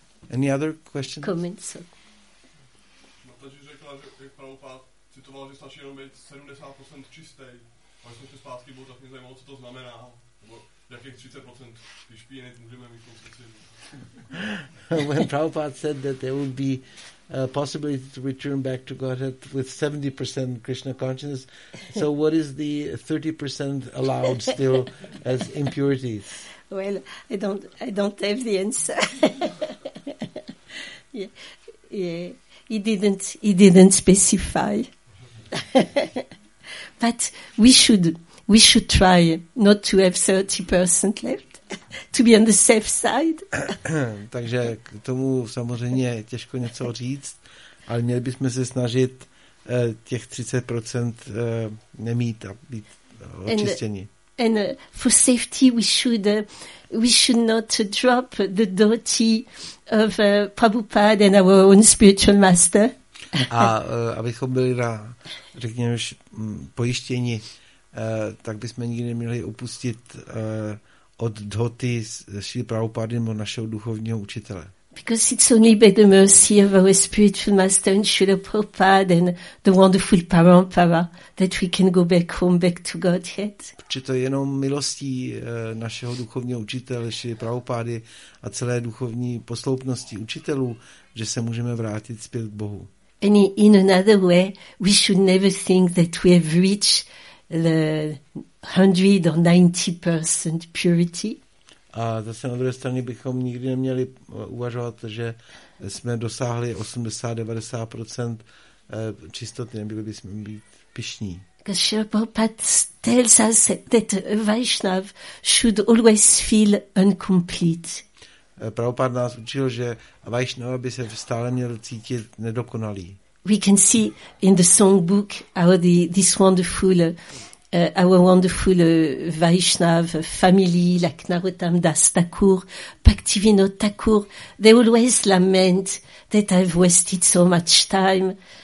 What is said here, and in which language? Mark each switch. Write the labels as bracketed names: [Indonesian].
[English] Any other questions? Comments? [Czech] Mataji řekla, že Prabhupada citoval, že stačí jenom být 70% čistý. A když jsme se zpátky byl, tak mě zajímalo, co to znamená. Nebo jakých 30%, když píjeme, můžeme mít konstruci. [English] When Prabhupada said that there would be a possibility to return back to Godhead with 70% Krishna consciousness. So what is the 30% allowed still as impurities? Well, I don't have the answer. he didn't specify. But we should try not to have 30% left. To be on the safe side. [Czech] Takže k tomu samozřejmě je těžko něco říct, ale měli bychom se snažit těch 30% nemít a být očištěni. [English] And for safety we should not drop the dhoti of Prabhupada and our own spiritual master. [Czech] A abychom byli na, řekněme, pojištěni, tak bychom nikdy neměli upustit od dhoty Šíli Prabhupády nebo našeho duchovního učitele. [English] Because it's only by the mercy of our spiritual master and Šíli Prabhupáda and the wonderful Parampara that we can go back to Godhead. [Czech] Protože to je jenom milostí našeho duchovního učitele Šíli Prabhupády a celé duchovní posloupnosti učitelů, že se můžeme vrátit zpět k Bohu. [English] And in another way, we should never think that we have reached the 100 or 90% purity. [Czech] A zase na druhé straně bychom nikdy neměli uvažovat, že jsme dosáhli 80-90% čistoty, neměli bychom být pyšní. [English] Because Srila Prabhupada tells us that a Vaishnav should always feel incomplete. [Czech] Prabhupada nás učil, že Vaishnav by se stále měl cítit nedokonalý. [English] We can see in the songbook how this wonderful our wonderful Vaishnav family, like Narottam Das Thakur, Bhaktivinod Thakur, they always lament that I've wasted so much time.